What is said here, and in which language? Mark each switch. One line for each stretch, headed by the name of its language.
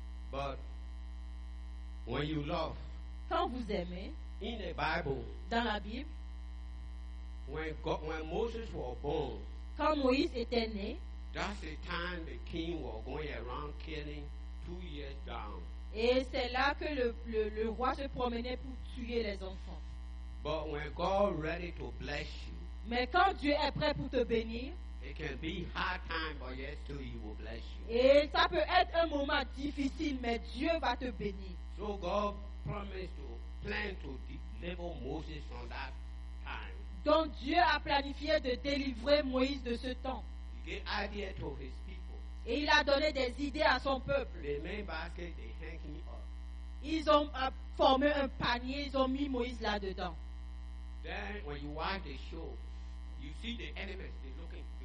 English: But when you love,
French: quand vous aimez,
English: in the Bible,
French: dans la Bible,
English: when Moses was born,
French: quand Moïse était né,
English: that's the time the king was going around killing 2 years down.
French: Et c'est là que le roi se promenait pour tuer les enfants.
English: But when God ready to bless you,
French: mais quand Dieu est prêt pour te bénir,
English: it can be hard time, but yet still he will bless you.
French: Et ça peut être un moment difficile, mais Dieu va te bénir.
English: So God promised to plan to deliver Moses from that time.
French: Donc Dieu a planifié de délivrer Moïse de ce temps.
English: He gave idea to his people.
French: Et il a donné des idées à son peuple.
English: They made basket, they hang him up.
French: Ils ont formé un panier, ils ont mis Moïse là-dedans.
English: Then when you watch the show, you see the enemies, they're looking.